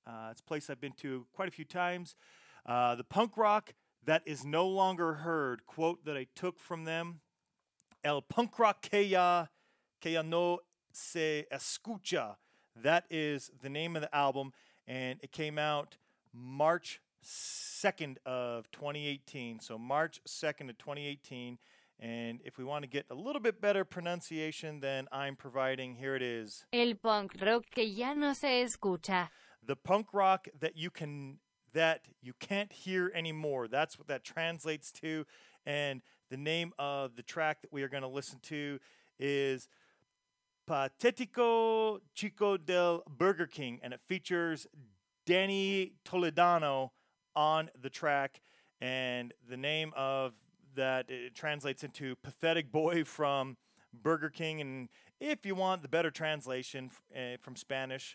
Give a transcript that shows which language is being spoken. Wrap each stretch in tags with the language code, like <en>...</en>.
<en>It's a place I've been to quite a few times. The punk rock that is no longer heard, quote that I took from them,</en> <es>el punk rock que ya no se escucha.</es> <en>That is the name of the album, and it came out March 2nd of 2018, so March 2nd of 2018, and if we want to get a little bit better pronunciation than I'm providing, here it is.</en> <es>El punk rock que ya no se escucha.</es> <en>The punk rock that you can't hear anymore, that's what that translates to, and the name of the track that we are going to listen to is Patético Chico del Burger King, and it features Danny Toledano on the track, and the name of that, it translates into Pathetic Boy from Burger King, and if you want the better translation from Spanish,</en>